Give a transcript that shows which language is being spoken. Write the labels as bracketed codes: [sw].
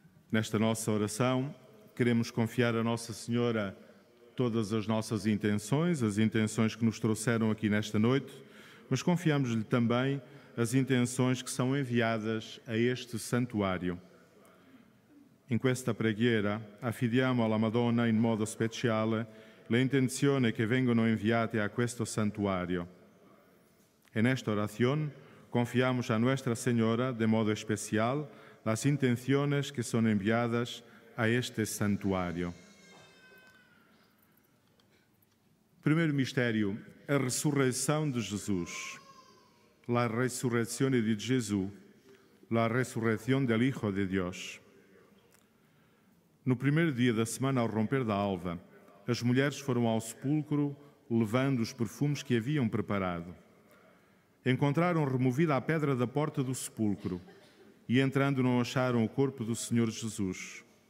[pt] Nesta nossa oração, queremos confiar a Nossa Senhora todas as nossas intenções, as intenções que nos trouxeram aqui nesta noite, mas confiamos-lhe também as intenções que são enviadas a este santuário. [it] In questa preghiera affidiamo alla Madonna in modo speciale le intenzioni che vengono enviate a questo santuario. [es] En esta oración confiamos a Nuestra Señora de modo especial las intenciones que son enviadas a este santuario. [pt] Primeiro mistério, a ressurreição de Jesus. [it] La resurrezione di Gesù, la resurrezione [es] del Hijo de Dios. [pt] No primeiro dia da semana, ao romper da alva, as mulheres foram ao sepulcro levando os perfumes que haviam preparado. Encontraram removida a pedra da porta do sepulcro, e entrando não acharam o corpo do Senhor Jesus.